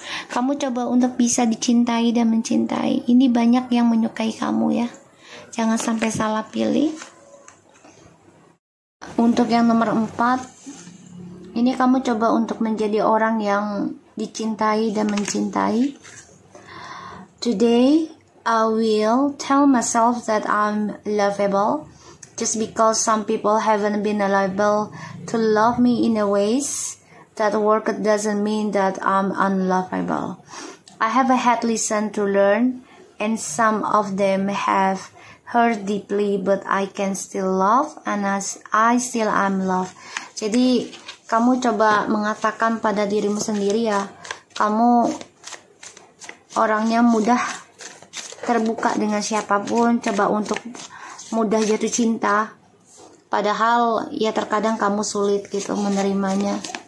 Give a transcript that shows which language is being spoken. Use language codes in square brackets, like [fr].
[id] Kamu coba untuk bisa dicintai dan mencintai. Ini banyak yang menyukai kamu ya. Jangan sampai salah pilih. Untuk yang nomor 4, ini kamu coba untuk menjadi orang yang dicintai dan mencintai. [en] Today, I will tell myself that I'm lovable. Just because some people haven't been able to love me in a ways that work doesn't mean that I'm unlovable. I have had listened to learn, and some of them have hurt deeply, but I can still love, and as I still am loved. [id] Jadi, kamu coba mengatakan pada dirimu sendiri ya, kamu orangnya mudah terbuka dengan siapapun, coba untuk mudah jatuh cinta. Padahal ya terkadang kamu sulit gitu menerimanya.